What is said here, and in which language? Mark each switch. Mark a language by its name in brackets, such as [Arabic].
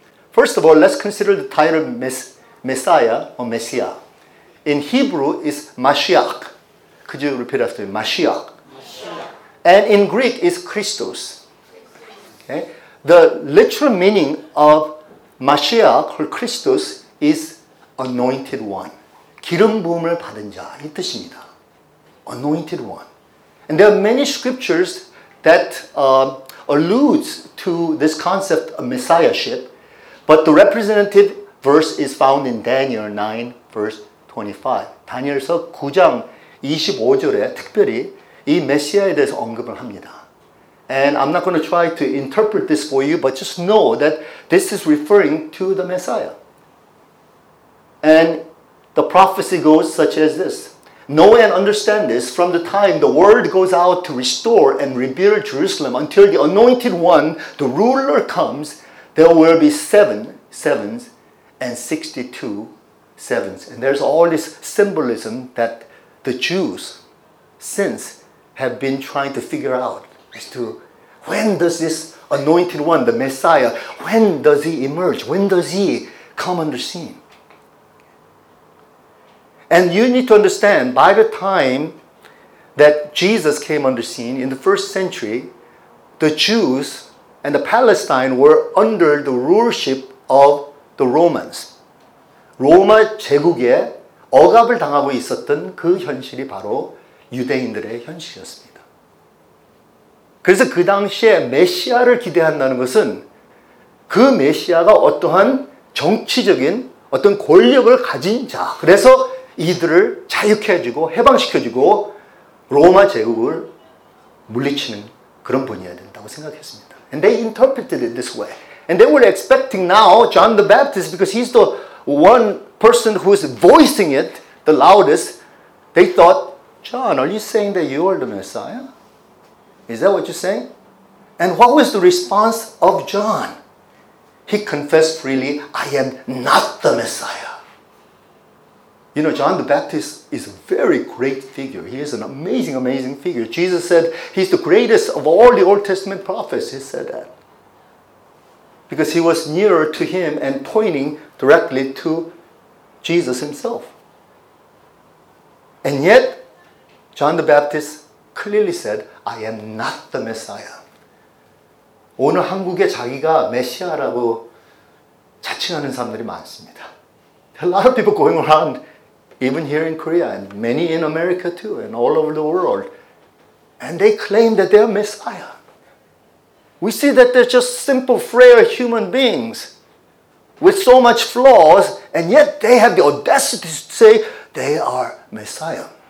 [English] First of all, let's consider the title Messiah or Messiah. In Hebrew, it's Mashiach. Could you repeat after me? Mashiach. And in Greek, it's Christos. Okay? The literal meaning of Mashiach or Christos is anointed one. [Korean] 기름 부음을 받은 자, 이 뜻입니다. [English] Anointed one. And there are many scriptures that alludes to this concept of messiahship, but the representative verse is found in Daniel 9, verse 25. [Korean] 다니엘서 9장 25절에 특별히 이 메시아에 대해서 언급을 합니다. [English] And I'm not going to try to interpret this for you, but just know that this is referring to the Messiah. And the prophecy goes such as this. Know and understand this. From the time the word goes out to restore and rebuild Jerusalem until the anointed one, the ruler comes, there will be seven sevens and 62 sevens. And there's all this symbolism that the Jews since have been trying to figure out as to when does this anointed one, the Messiah, when does he emerge? When does he come on the scene? And you need to understand, by the time that Jesus came on the scene in the first century, the Jews and the Palestine were under the rulership of the Romans. [Korean] 로마 제국에 억압을 당하고 있었던 그 현실이 바로 유대인들의 현실이었습니다. 그래서 그 당시에 메시아를 기대한다는 것은 그 메시아가 어떠한 정치적인 어떤 권력을 가진 자, 그래서 이들을 자유케 해주고 해방시켜주고 로마 제국을 물리치는 그런 분이어야 된다고 생각했습니다. [English] And they interpreted it this way. And they were expecting now John the Baptist because he's the one person who is voicing it the loudest. They thought, John, are you saying that you are the Messiah? Is that what you're saying? And what was the response of John? He confessed freely, I am not the Messiah. You know, John the Baptist is a very great figure. He is an amazing, amazing figure. Jesus said he's the greatest of all the Old Testament prophets. He said that. Because he was nearer to him and pointing directly to Jesus himself. And yet, John the Baptist clearly said, I am not the Messiah. [Korean] 오늘 한국에 자기가 메시아라고 자칭하는 사람들이 많습니다. [English] A lot of people going around, even here in Korea, and many in America too, and all over the world. And they claim that they are Messiah. We see that they're just simple, frail human beings with so much flaws, and yet they have the audacity to say they are Messiah.